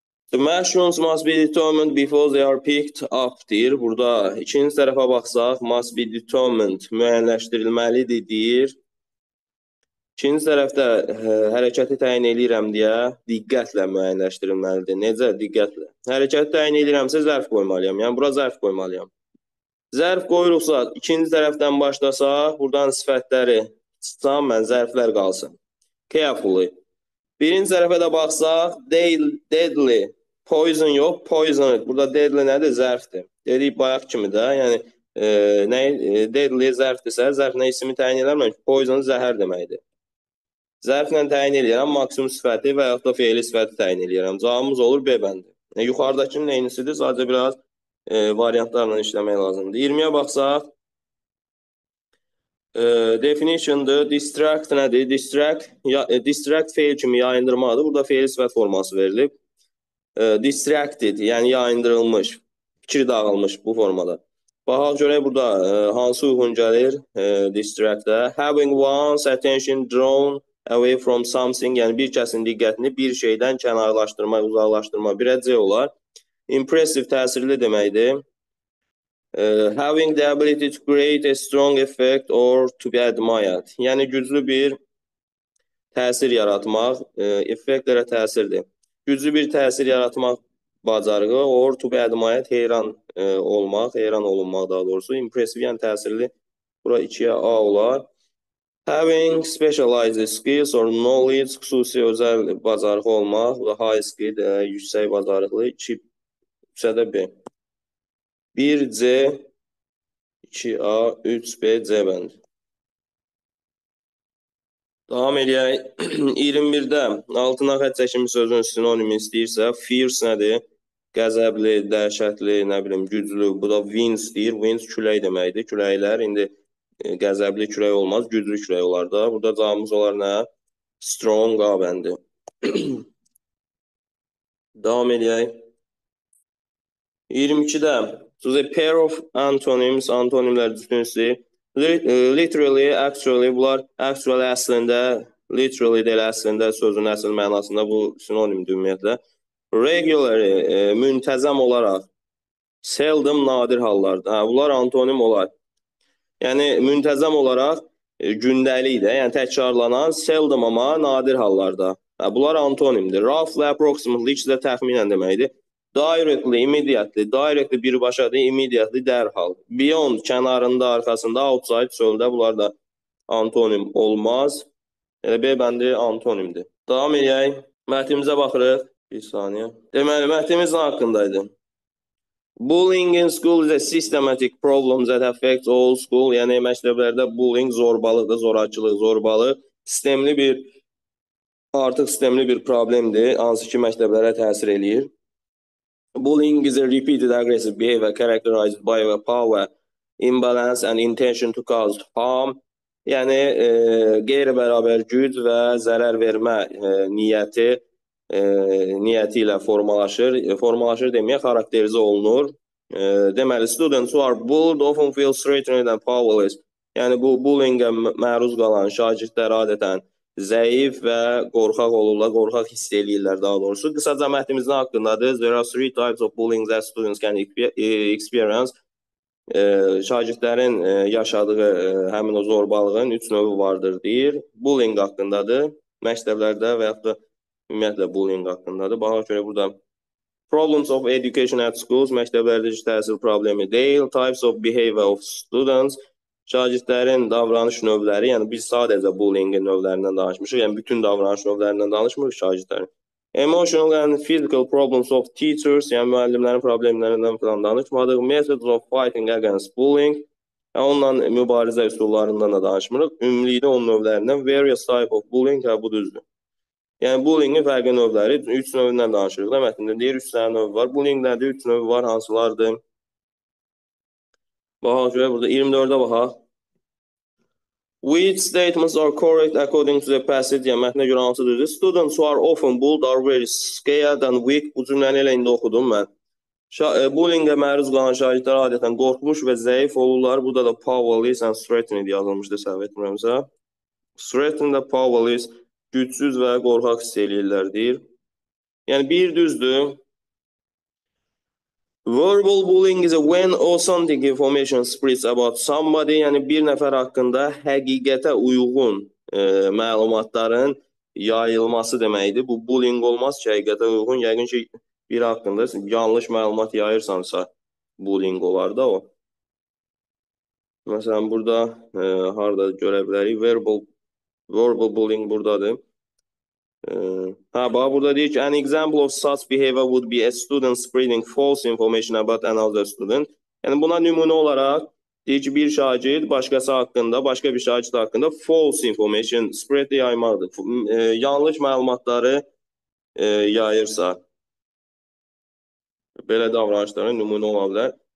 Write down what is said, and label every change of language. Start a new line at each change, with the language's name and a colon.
English: The mushrooms must be determined before they are picked up
Azerbaijani: deyir. Burada ikinci tərəfə baxsaq,
English: must be determined,
Azerbaijani: müəyyənləşdirilməlidir deyir. İkinci tərəfdə hərəkəti təyin edirəm deyə diqqətlə müəyyənləşdirilməlidir. Necə diqqətlə? Hərəkəti təyin edirəmsə zərf qoymalıyam. Yəni bura zərf qoymalıyam. Zərf qoyuruqsa, ikinci tərəfdən başlasaq, buradan sifətləri çıxsam, mən zərflər qalsın. Carefully. Birinci tərəfə də baxsaq, deadly, poison yox, poisoned. Burada deadly nədir? Zərfdir. Dedik bayaq kimi də, yəni deadly zərfdirsə, zərf nə ismi təyin edəmək? Poison zəhər deməkdir. Zərflə təyin edirəm, maksimum sifəti və yaxud da feili sifəti təyin edirəm. Cavabımız olur B bəndi. Yuxarıdakının eynisidir, sadəcə biraz variantlarla işləmək lazımdır. 20-yə baxsaq, definition-dır, distract nədir? Distract fail kimi yayındırmadır. Burada feili sifət forması verilib. Distracted, yəni yayındırılmış, fikri dağılmış bu formada. Baxaq görək burada hansı uyğun gəlir distract-ə.
English: Having one's attention drawn away from something,
Azerbaijani: yəni bir kəsin diqqətini bir şeydən kənarlaşdırmaq, uzaqlaşdırmaq, birə C olar. Impressive, təsirli deməkdir.
English: Having the ability to create a strong effect or to be admired.
Azerbaijani: Yəni, güclü bir təsir yaratmaq, effektlərə təsirdir. Güclü bir təsir yaratmaq bacarığı
English: or to be admired,
Azerbaijani: heyran olmaq, heyran olunmaq daha doğrusu. Impressive, yəni təsirli. Bura 2-yə A olar. Having specialized skills or knowledge, xüsusi özel bacarıq olmaq, high skill, yüksək bacarıqlı, iki, üçədə B. 1C, 2A, 3B, C bəndi.
Turkish: Devam edelim.
Azerbaijani: 21'de altına xətt çəkim sözün sinonimi istəyirsə, fierce nədir? Qəzəbli, dəhşətli, nə bilim, güclü. Bu da winds deyir. Winds külək deməkdir. Küləklər, indi qəzəbli külək olmaz, güclü külək olar da. Burada cavabımız olar nə? Strong A bəndi. Devam edelim. 22'de
English: the pair of antonyms,
Azerbaijani: antonimlər düşünsün. Literally, actually, bunlar actually əslində, literally deyil əslində, sözün əsl mənasında bu sinonimdir ümumiyyətlə. Regularly, müntəzəm olaraq, seldom, nadir hallarda. Hə, bunlar antonim olar. Yəni, müntəzəm olaraq gündəlik də, yəni təkrarlanan, seldom amma nadir hallarda. Hə, bunlar antonimdir. Roughly, approximately, ikisi də təxminən deməkdir. Directly, immediately, directly birbaşa deyil, immediately, dərhal. Beyond, kənarında, arxasında, outside, söndə, bunlar da antonim olmaz. Elə B bəndi antonimdir. Devam edək, mətnimizə baxırıq. Bir saniyə. Deməli, mətnimiz nə haqqındaydı?
English: Bullying in school is a systematic problem that affects all school.
Azerbaijani: Yəni, məktəblərdə bullying zorbalıqdır, zorakılıq, zorbalıq. Sistemli bir, artıq sistemli bir problemdir, hansı ki məktəblərə təsir eləyir.
English: Bullying is a repeated aggressive behavior characterized by a power imbalance and intention to cause harm.
Azerbaijani: Yəni, qeyri-bərabər güc və zərər vermə niyyəti ilə formalaşır. Formalaşır deməyə xarakterizə olunur.
English: Deməli, students who are bullied often feel threatened and powerless.
Azerbaijani: Yəni, bu bullying-ə məruz qalan şagirdlər adətən zəif və qorxaq olurlar, qorxaq hiss eləyirlər daha doğrusu. Qısaca məhdimiz nə haqqındadır?
English: There are three types of bullying that students can experience.
Azerbaijani: Şagirdlərin yaşadığı həmin o zorbalığın üç növü vardır deyir. Bullying haqqındadır. Məktəblərdə və yaxud da ümumiyyətlə bullying haqqındadır. Baxaq görə burada
English: problems of education at schools,
Azerbaijani: məktəblərdə heç təhsil problemi deyil.
English: Types of behavior of students.
Azerbaijani: Şagirdlərin davranış növləri, yəni biz sadəcə bullying-in növlərindən danışmışıq, yəni bütün davranış növlərindən danışmırıq şagirdlərin. Emotional and physical problems of teachers, yəni müəllimlərin problemlərindən falan danışmadıq. Methods of fighting against bullying, yəni onunla mübarizə üsullarından da danışmırıq. Ümumilikdə onun növlərindən
English: various type of bullying,
Azerbaijani: yəni bu düzdür. Yəni bullying-in fərqli növləri, 3 növündən danışırıq da, mətnində deyir 3 növ var. Bullying-lərdə 3 növ var, hansılardır? Baxaq görə burada 24-də baxaq.
English: Which statements are correct according to the passage?
Azerbaijani: Yəni, mətnə görə hansı düzdür?
English: Students who are often bullied are very scared and weak.
Azerbaijani: Bu cümləni elə indi oxudum mən. Bullying-ə məruz qalan şagirdlər adətən qorxmuş və zəif olurlar. Burada da powerless and threatened yazılmışdır, səhv etmirəmsə. Threatened and powerless, gücsüz və qorxaq hiss eləyirlər deyir. Yəni, bir düzdür.
English: Verbal bullying is when authentic information spreads about somebody,
Azerbaijani: yəni bir nəfər haqqında həqiqətə uyğun məlumatların yayılması deməkdir. Bu bullying olmaz ki, həqiqətə uyğun. Yəqin ki, bir haqqında yanlış məlumat yayırsansa bullying olar da o. Məsələn, burada harada görə bilərik? Verbal bullying buradadır. Bax, burada deyir ki,
English: an example of such behavior would be a student spreading false information about another student.
Azerbaijani: Yəni, buna nümunə olaraq deyir ki, bir şagird başqası haqqında, başqa bir şagird haqqında
English: false information spread
Azerbaijani: yaymaqdır. Yanlış məlumatları yayırsa, belə davranışların nümunə ola bilər.